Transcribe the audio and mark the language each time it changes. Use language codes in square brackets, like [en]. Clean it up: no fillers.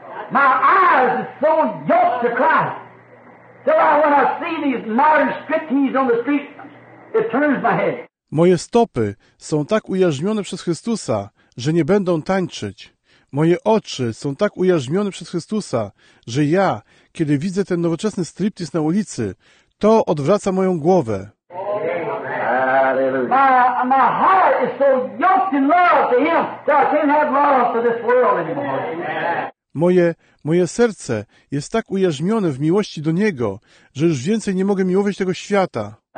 [en] My eyes are so yoked to Christ till I, when I see these modern striptease on the street, it turns my head. [pl] Moje stopy są tak ujarzmione przez Chrystusa, że nie będą tańczyć. Moje oczy są tak ujarzmione przez Chrystusa, że ja, kiedy widzę ten nowoczesny striptease na ulicy, to odwraca moją głowę. [en] My heart is so yoked in love to Him that I can't have love for this world anymore. [pl] Moje serce jest tak ujarzmione w miłości do Niego, że już więcej nie mogę miłować tego świata.